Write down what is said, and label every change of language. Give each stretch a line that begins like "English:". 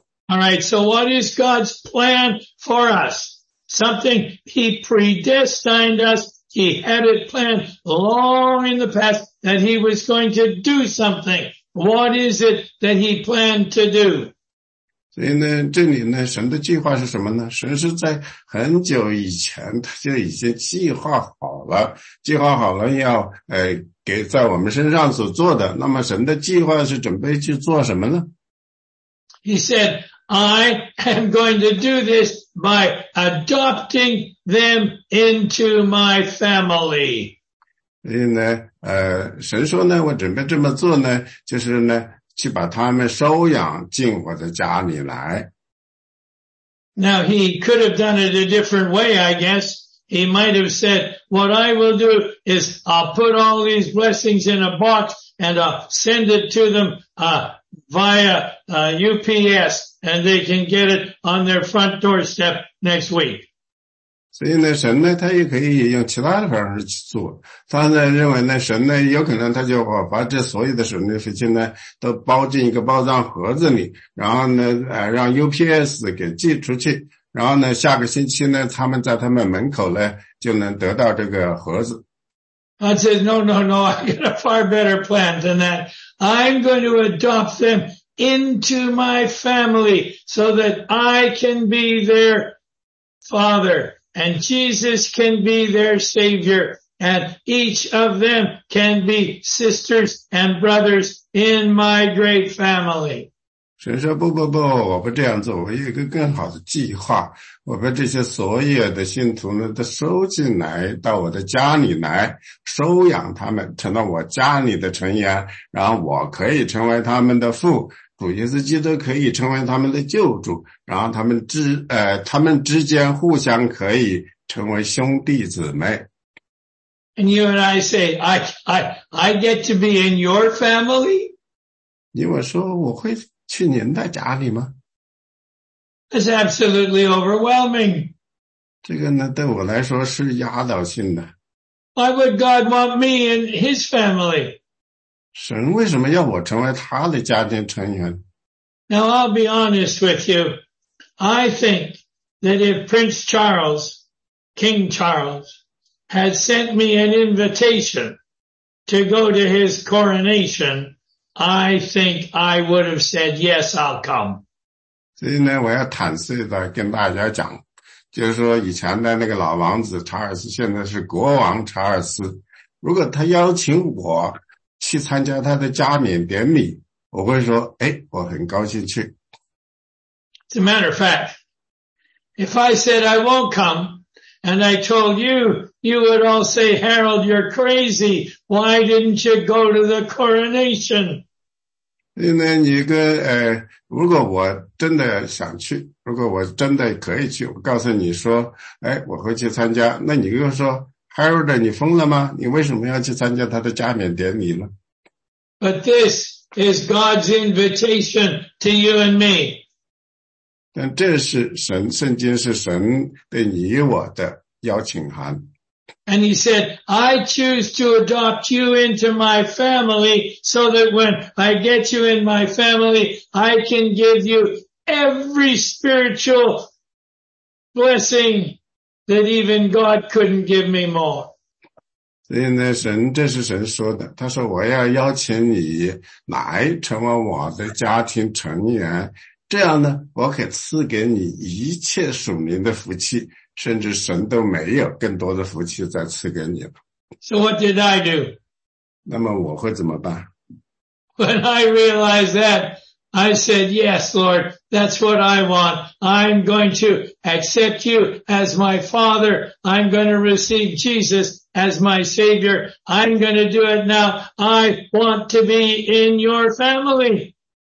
English: Alright, so what is God's plan for us? Something he predestined us, he had it planned long in the past that he was going to do something. What is it that he planned to do?
Chinese: 所以呢，这里呢，神的计划是什么呢？神是在很久以前他就已经计划好了，计划好了要给在我们身上所做的。那么神的计划是准备去做什么呢？
English: He said, I am going to do this by adopting them into my family.
Chinese: 所以呢，神说呢，我准备这么做呢，就是呢去把他们收养进我的家里来。
English: Now he could have done it a different way, I guess. He might have said, what I will do is I'll put all these blessings in a box and I'll send it to them via UPS and they can get it on their front doorstep next week.
Chinese: 所以呢，神呢，他也可以用其他的方式去做。他呢认为呢，神呢有可能他就把这所有的神的事情呢都包进一个包装盒子里，然后呢，让 UPS 给寄出去，然后呢，下个星期呢，他们在他们门口呢就能得到这个盒子。
English: God says, no, no, no, I got a far better plan than that. I'm going to adopt them into my family so that I can be their father. And Jesus can be their savior, and each of them can be sisters and brothers in my great family.
Chinese: 神说不不不，我不这样做，我有一个更好的计划，我把这些所有的信徒呢都收进来到我的家里来，收养他们成了我家里的成员，然后我可以成为他们的父。主耶稣基督可以成为他们的救主，然后他们之间互相可以成为兄弟姊妹。
English: And you and I say, I get to be in your family?
Chinese: 你我说我会去您的家里吗？
English: It's absolutely overwhelming.
Chinese: 这个呢对我来说是压倒性的。
English: Why would God want me in his family?
Chinese: 神为什么要我成为他的家庭成员？
English: Now I'll be honest with you. I think that if Prince Charles, King Charles, had sent me an invitation to go to his coronation, I think I would have said, yes, I'll come.
Chinese: 所以呢，我要坦率的跟大家讲，就是说以前的那个老王子查尔斯，现在是国王查尔斯。如果他邀请我去参加他的加冕典礼，我会说，哎，我很高兴去。
English: As a matter of fact, if I said I won't come, and I told you, you would all say, Harold, you're crazy. Why didn't you go to the coronation?
Chinese: 因为你跟如果我真的想去，如果我真的可以去，我告诉你说，哎，我会去参加。那你又说 ，Harold， 你疯了吗？你为什么要去参加他的加冕典礼呢
English: ？But this is God's invitation to you and me.
Chinese: 但这是神，圣经是神对你我的邀请函。
English: And he said, I choose to adopt you into my family so that when I get you in my family, I can give you every spiritual blessing that even God couldn't give me more.
Chinese: 所以呢，神，这是神说的，他说我要邀请你来成为我的家庭成员，这样呢，我可以赐给你一切属灵的福气。甚至神都没有更多的福气再赐给你了。
English: So what did I do?
Chinese: 那么我会怎么办？
English: When I realized that, I said, yes, Lord, that's what I want. I'm going to accept you as my father. I'm going to receive Jesus as my savior. I'm going to do it now. I want to be in your family.